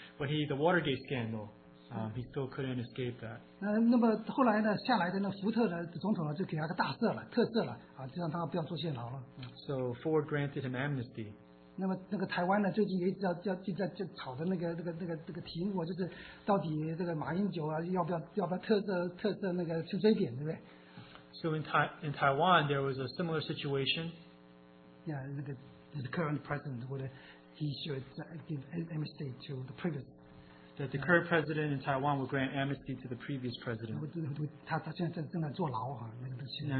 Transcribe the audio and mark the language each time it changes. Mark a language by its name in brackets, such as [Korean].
[English] when he the Watergate scandal, he still couldn't escape that. [Chinese] 那么后来呢，下来的那福特呢，就给他个大赦了，特赦了啊，就让他不要坐监牢了。So [English] Ford granted him amnesty. [Chinese] 那么那个台湾呢，最近也一直要就在吵的那个题目，就是到底这个马英九啊，要不要特赦那个陈水扁，对不对？So [English] in Taiwan there was a similar situation. Yeah, like the current president would he should give amnesty to the previous. That the current president in Taiwan would grant amnesty to the previous president. [Chinese] 他现在正在坐牢啊，那个东西。Now